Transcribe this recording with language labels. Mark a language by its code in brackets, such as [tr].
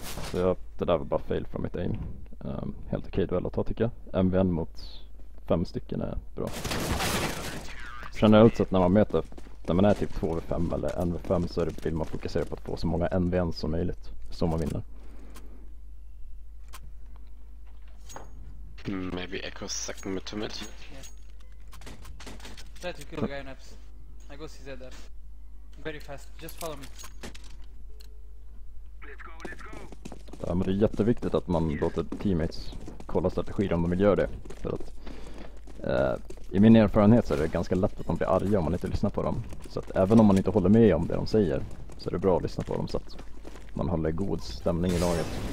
[sv] Så jag, det där var bara fail från mitt aim. Helt okej duell att ta, tycker jag. MVN mot fem stycken är bra. Generellt sett när man möter, när man är typ 2v5 eller 1v5, så vill man fokusera på att få så många MVN som möjligt. Så man vinner. [en] Maybe echo second mid to mid. Try to kill the guy on apps. I go CZ there. Very fast, just follow me. Let's go. [sv] Ja, men det är jätteviktigt att man låter teammates kolla strategin om de vill göra det. För att, i min erfarenhet så är det ganska lätt att de blir arga om man inte lyssnar på dem. Så att även om man inte håller med om det de säger, så är det bra att lyssna på dem så att man håller god stämning i laget.